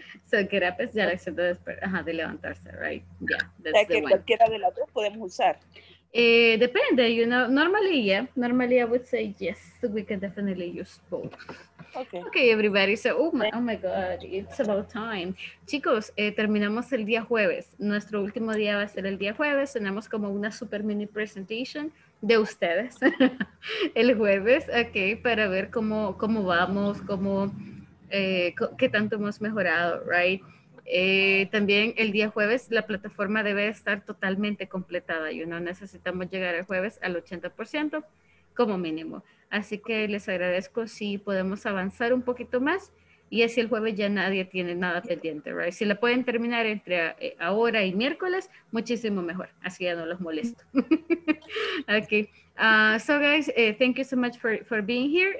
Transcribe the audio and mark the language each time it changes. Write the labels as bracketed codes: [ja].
[en] So get up [es] es ya la acción de despertar, ajá, de levantarse, [en] right? Yeah, that's [es] the one. O sea, que cualquiera de las dos podemos usar. Depende, [en] you know, normally, yeah, normally I would say yes, we can definitely use both. Okay. Okay, everybody, so, oh my God, it's about time. [es] Chicos, terminamos el día jueves, nuestro último día va a ser el día jueves, tenemos como una super mini presentation de ustedes el jueves, [en] okay, [es] para ver cómo vamos, qué tanto hemos mejorado, [en] right? [es] También el día jueves la plataforma debe estar totalmente completada y no necesitamos llegar el jueves al 80% como mínimo. Así que les agradezco si podemos avanzar un poquito más y así el jueves ya nadie tiene nada pendiente, [en] right? [es] Si la pueden terminar entre ahora y miércoles, muchísimo mejor. Así ya no los molesto. Okay. [en] So guys, thank you so much for being here.